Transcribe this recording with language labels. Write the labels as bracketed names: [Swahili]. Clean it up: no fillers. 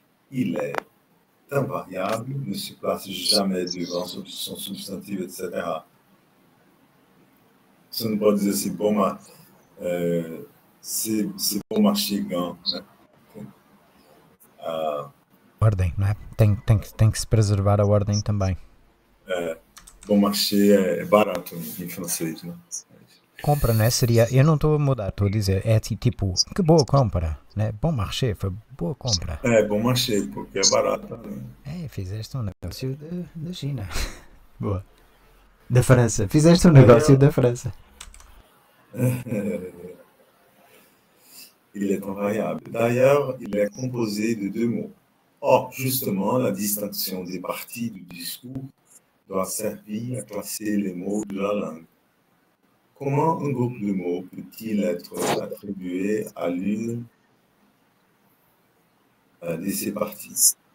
[French] Il est invariable, ne se place jamais devant son substantif, etc. Ça ne peut pas dire c'est bon marché gant. [Portuguese] Ordem, não é? Tem que se preservar a ordem também. É, bon marché é barato em francês, né? Compra, né? Seria, eu não estou a mudar, estou a dizer, é tipo, que boa compra, né? Bon marché, foi boa compra. É, bon marché, porque é barato. Né? É, fizeste um negócio da China. Boa. Da França, fizeste um negócio da França. [French] Il est invariable. D'ailleurs, il est composé de deux mots. Or, justement, la distinction des parties du discours doit servir à classer les mots de la langue. Comment un groupe de mots peut-il être attribué à l'une de ces parties?